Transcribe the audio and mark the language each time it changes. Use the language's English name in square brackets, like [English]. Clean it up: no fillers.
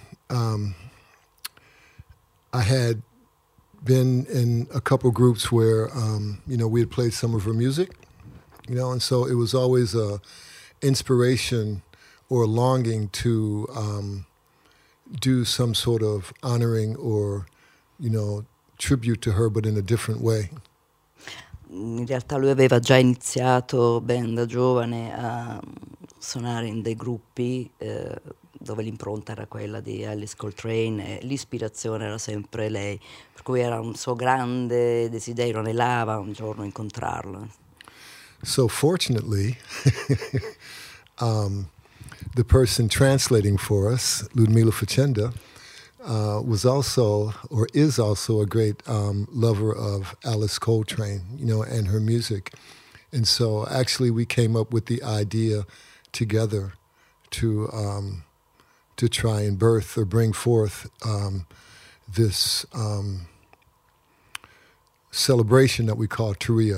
[English] And I had been in a couple groups where, you know, we had played some of her music, you know, and so it was always a inspiration or a longing to do some sort of honoring or, you know, tribute to her, but in a different way. [Italian] In realtà lui aveva già iniziato ben da giovane a suonare in dei gruppi dove l'impronta era quella di Alice Coltrane e l'ispirazione era sempre lei, per cui era un suo grande desiderio, anelava un giorno incontrarla. [English] So fortunately, the person translating for us, Ludmila Fachenda, was also, or is also, a great lover of Alice Coltrane, you know, and her music. And so actually we came up with the idea together to try and birth or bring forth this celebration that we call Turiya.